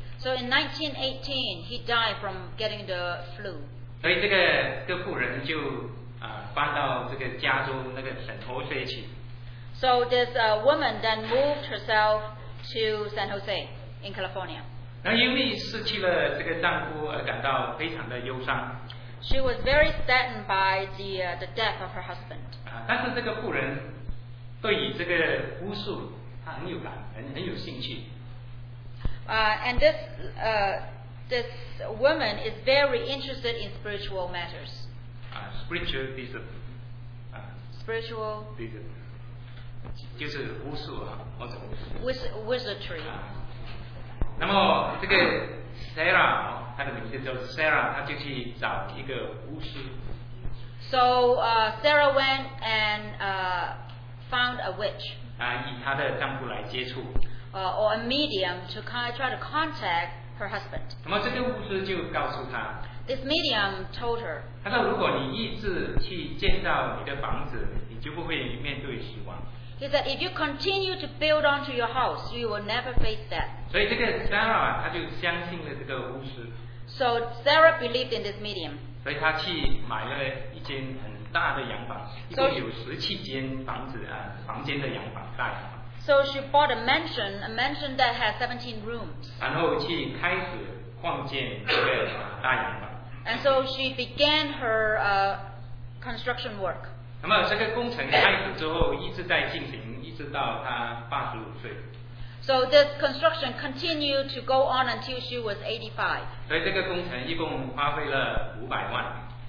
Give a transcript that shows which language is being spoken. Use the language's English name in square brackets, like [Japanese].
[English] So in 1918, he died from getting the flu. [Chinese] 所以这个妇人就搬到这个加州那个圣何塞去。 [English] So this woman then moved herself to San Jose in California. [Chinese] 那因为失去了这个丈夫而感到非常的忧伤。 [English] She was very saddened by the death of her husband. [Chinese] 但是这个妇人对于这个巫术她很有感，很有兴趣。 [English] And this woman is very interested in spiritual matters. Spiritual discipline. Spiritual [Chinese] discipline. 就是巫术啊，或者 [English] wizardry. [Chinese] 那么这个 Sarah， 她的名字叫 Sarah， 她就去找一个巫师。 [English] So Sarah went and found a witch. [Chinese] 以她的丈夫来接触。 [English] Or a medium to try to contact her husband. [Chinese] 那么这个巫师就告诉她。 [English] This medium told her. [Chinese] 他说如果你一直去建造你的房子，你就不会面对死亡。 [English] He said if you continue to build onto your house, you will never face death. [Chinese] 所以这个 Sarah 她就相信了这个巫师。 [English] So Sarah believed in this medium. [Chinese] 所以她去买了一间很大的洋房，一共有17间房子房间的洋房大洋房。 [English] So she bought a mansion that has 17 rooms. [Chinese] 然后去开始创建这个大洋房。 [English] And so she began her construction work. [Chinese] 那么这个工程开始之后一直在进行，一直到她85岁。 [English] So this construction continued to go on until she was 85. [Chinese] 所以这个工程一共花费了500万。